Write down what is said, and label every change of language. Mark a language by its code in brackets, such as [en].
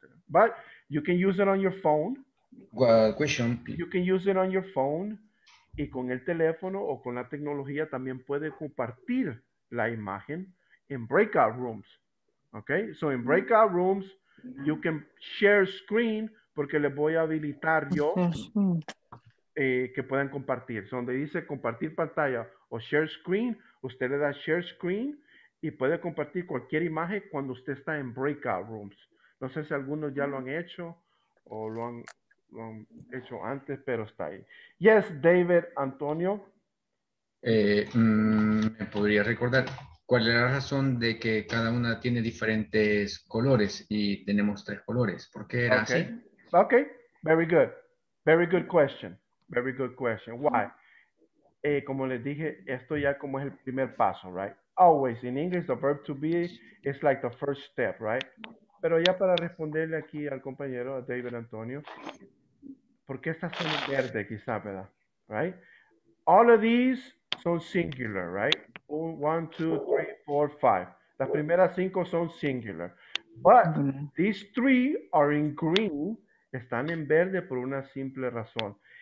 [en] But you can use it on your phone. Question. You can use it on your phone. [es] Y con el teléfono o con la tecnología también puede compartir la imagen in breakout rooms. [en] Okay? So in breakout rooms, you can share screen [es] porque les voy a habilitar yo que puedan compartir. So donde dice compartir pantalla o share screen, usted le da share screen y puede compartir cualquier imagen cuando usted está en breakout rooms. No sé si algunos ya lo han hecho o lo han hecho antes, pero está ahí. [en] Yes, [es] David Antonio. ¿Me podría recordar cuál era la razón de que cada una tiene diferentes colores y tenemos tres colores? ¿Por qué era okay. así? [en] Okay, very good. Very good question. Very good question. Why? [es] Como les dije, esto ya como es el primer paso, right? [en] Always in English, the verb to be is like the first step, right? [es] Pero ya para responderle aquí al compañero, a David Antonio, ¿por qué estas son verdes quizá, verdad? [en] Right? All of these [es] son singular, [en] right? [es] 1, 2, 3, 4, 5. Las primeras cinco son singular. [en] But these three are in green. [es] Están en verde por una simple razón.